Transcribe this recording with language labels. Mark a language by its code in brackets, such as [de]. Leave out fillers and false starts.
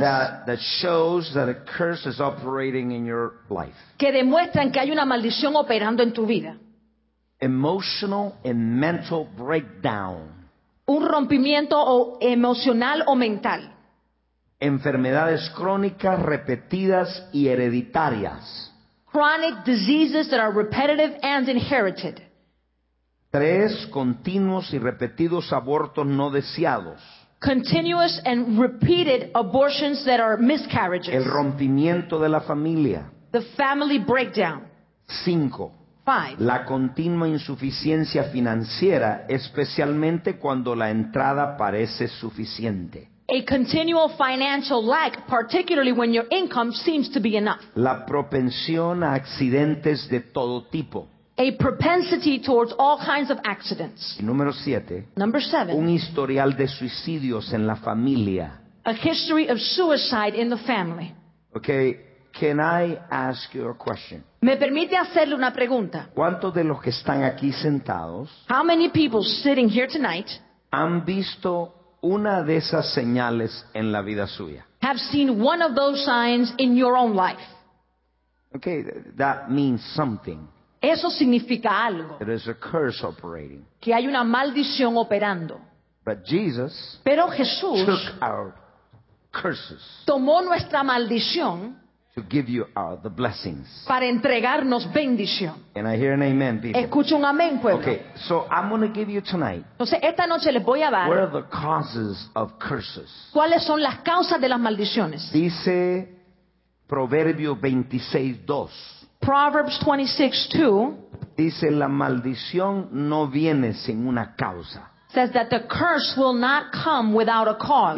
[en] That shows that a curse is operating in your life. [es] Que demuestran que hay una maldición operando en tu vida. [en] Emotional and mental breakdown. [es] Un rompimiento emocional o mental. Enfermedades crónicas repetidas y hereditarias. [en] Chronic diseases that are repetitive and inherited. [es] Tres continuos y repetidos abortos no deseados. [en] Continuous and repeated abortions that are miscarriages. [es] El rompimiento de la familia. [en] The family breakdown. [es] Cinco. [en] Five. [es] La continua insuficiencia financiera, especialmente cuando la entrada parece suficiente. [en] A continual financial lack, particularly when your income seems to be enough. [es] La propensión a accidentes de todo tipo. [en] A propensity towards all kinds of accidents. [es] Número siete. [en] Number seven. [es] Un historial de suicidios en la familia. [en] A history of suicide in the family. Okay, can I ask you a question? [es] ¿Me permite hacerle una pregunta? ¿Cuántos de los que están aquí sentados? [en] How many people sitting here tonight? [es] ¿Han visto una de esas señales en la vida suya? [en] Have seen one of those signs in your own life. Okay, that means something. [es] Eso significa algo. [en] There is a curse operating. [es] Que hay una maldición operando. [en] But Jesus, [es] pero Jesús, [en] took our curses. [es] Tomó nuestra maldición. [en] To give you the blessings. [es] Para entregarnos bendición. [en] And I hear an amen, people. [es] Escucho un amén, pueblo. [en] Okay, so I'm going to give you tonight. [es] Entonces esta noche les voy a dar. [en] What are the causes of curses? [es] ¿Cuáles son las causas de las maldiciones? Dice Proverbio 26:2. [en] Proverbs 26:2 [es] dice la maldición no viene sin una causa. [en] Says that the curse will not come without a cause.